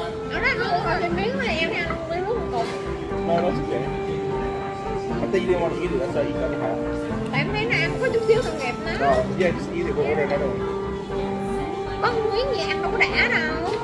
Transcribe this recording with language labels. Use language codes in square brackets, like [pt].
[vi] Nó đang ăn một miếng mà em ăn một miếng luôn một cục. [en] No, that's okay. I think you didn't want to eat it, that's why you got the half. [vi] Tại em thấy nè, em có chút xíu còn đẹp mà. [en] No, yeah, just eat it, we'll order another one. [vi] Có miếng gì ăn đâu có đã đâu.